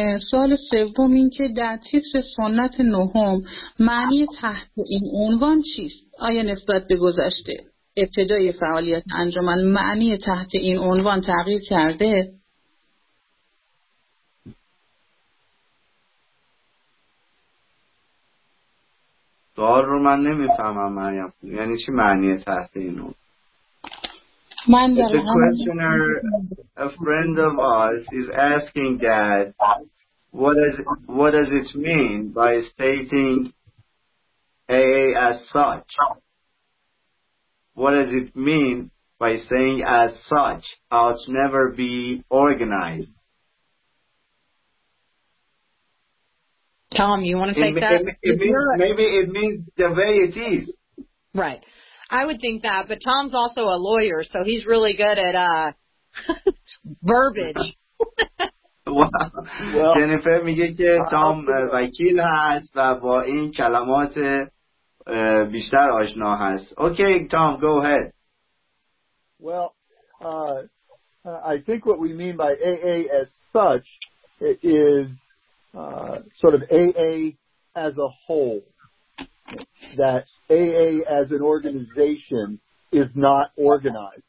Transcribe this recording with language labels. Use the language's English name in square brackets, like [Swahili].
[Persian] سوال سوم این که در طیف سنت نهم معنی تحت این عنوان چیست؟ آیا نسبت به گذشته؟ ابتدای فعالیت انجمن معنی تحت این عنوان تغییر کرده؟ سوال رو من نمیفهمم مریم. یعنی چی معنی تحت این عنوان؟ من در همین [English] questioner, a friend of ours is asking that what does it mean by stating AA as such? What does it mean by saying as such, ought never be organized? Tom, you want to take that? Maybe it means the way it is. Right. I would think that, but Tom's also a lawyer, so he's really good at verbiage. [Persian] Well, Jennifer میگه که Tom وکیل هست و با این کلمات بیشتر آشنا هست. [English] Okay, Tom, go ahead. Well, I think what we mean by AA as such is sort of AA as a whole. That AA as an organization is not organized.